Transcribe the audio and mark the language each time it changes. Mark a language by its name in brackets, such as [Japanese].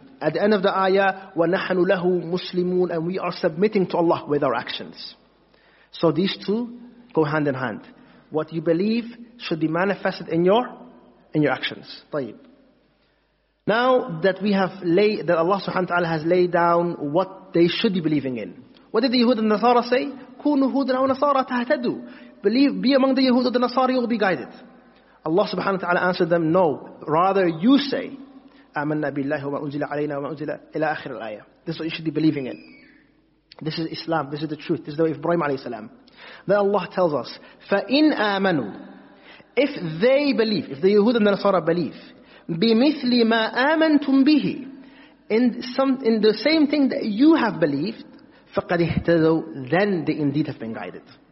[English] At the end of the ayah, [Arabic] وَنَحْنُ لَهُ مُسْلِمُونَ, [English] and we are submitting to Allah with our actions. So these two go hand in hand. What you believe should be manifested in your actions. [Arabic] طيب. [English] Now that we have laid, that Allah subhanahu wa ta'ala has laid down what they should be believing in. What did the Yahud and Nasara say? [Arabic] كُونُوا هُودًا أَوْ نَصَارَى تَهْتَدُوا. [English] Believe, be among the Yahud and the Nasara, you'll be guided. Allah subhanahu wa ta'ala answered them, no. Rather you say, [Arabic] آمَنَّا بِاللَّهِ وَمَا أُنزِلَ عَلَيْنَا وَمَا أُنزِلَ إِلَىٰ آخِرِ الْآيَةِ. [English] This is what you should be believing in. This is Islam. This is the truth. This is the way of Ibrahim alayhi salam. Then Allah tells us, [Arabic] فَإِنْ آمَنُوا, [English] if they believe, if the Yahud and the Nasara believe, [Arabic] بِمِثْلِ مَا آمَنْتُمْ بِهِ, [English] in the same thing that you have believed, [Arabic] فَقَدْ اِهْتَدُوا, [English] then they indeed have been guided.